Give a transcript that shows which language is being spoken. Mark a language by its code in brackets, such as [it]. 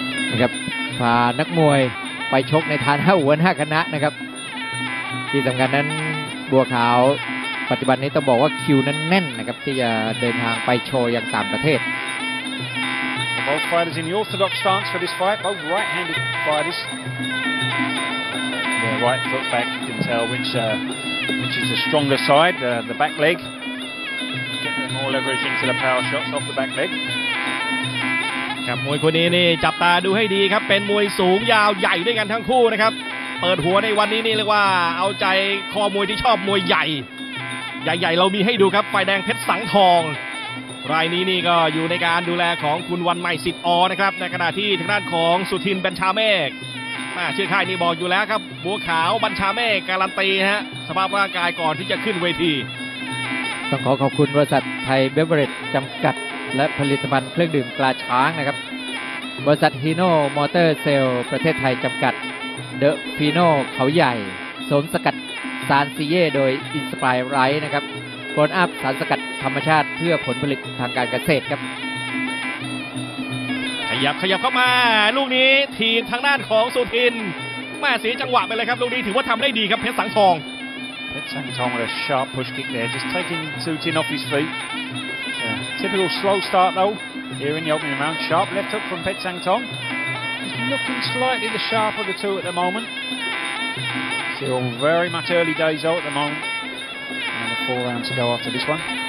[th] นะครับพานักมวยไปชกในฐานะหัวหน้าคณะนะครับที่สำคัญนั้นบัวขาวปัจจุบันนี้ต้องบอกว่าคิวนั้นแน่นนะครับที่จะเดินทางไปโชว์ยังต่างประเทศ [en] Both fighters in the orthodox stance for this fight Both right-handed fighters Their right foot back you can tell which is the stronger side, the back leg. Get them more leverage into the power shots off the back leg. [th] ครับมวยคู่นี้นี่จับตาดูให้ดีครับเป็นมวยสูงยาวใหญ่ด้วยกันทั้งคู่นะครับเปิดหัวในวันนี้นี่เรียกว่าเอาใจคอมวยที่ชอบมวยใหญ่ ใหญ่ๆเรามีให้ดูครับฝ่ายแดงเพชรสังทองรายนี้นี่ก็อยู่ในการดูแลของคุณวันใหม่สิทธิ์อ๋อนะครับในขณะที่ทางด้านของสุทินบัญชาเมฆชื่อค่ายนี่บอกอยู่แล้วครับบัวขาวบัญชาเมฆการันตีฮะสภาพร่างกายก่อนที่จะขึ้นเวที ต้องขอขอบคุณบริษัทไทยเบเวอเรจจำกัดและผลิตภัณฑ์เครื่องดื่มกาช้างนะครับบริษัทฮีโน่มอเตอร์เซลประเทศไทยจำกัดเดอะฟีโน่เขาใหญ่สมสกัดสารซีเย่โดยอินสปายไรท์นะครับโกลด์อัพสารสกัดธรรมชาติเพื่อผลผลิตทางการเกษตรครับ ขยับเข้ามาลูกนี้ทีมทางด้านของสุทินแม่สีจังหวะไปเลยครับลูกนี้ถือว่าทำได้ดีครับเพชรสังทอง เพชรสังทองกับ [en] sharp push kick there just taking Sutin off his feet typical slow start though here in the opening round sharp left hook from เพชรสังทองlooking slightly the sharp of the two at the moment still very much early days though at the moment and a four round to go after this one